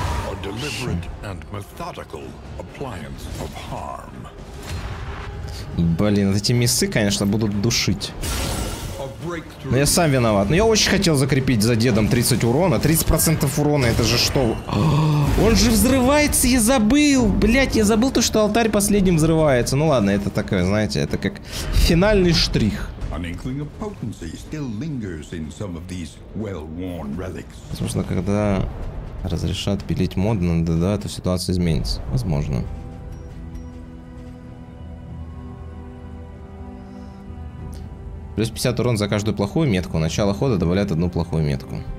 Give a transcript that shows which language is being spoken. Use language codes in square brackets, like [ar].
[en] A deliberate and methodical appliance of harm. [ru] Блин, эти миссы, конечно, будут душить. Но я сам виноват. Но я очень хотел закрепить за дедом 30 урона. 30% урона, это же что? Он же взрывается, я забыл. Блять, я забыл то, что алтарь последним взрывается. Ну ладно, это такое, знаете, это как финальный штрих. [en] An inkling of potency still lingers in some of these well-worn relics. [ru] Возможно, когда разрешат пилить мод на ДД, то ситуация изменится. Возможно. Плюс 50 урон за каждую плохую метку. Начало хода добавляет одну плохую метку.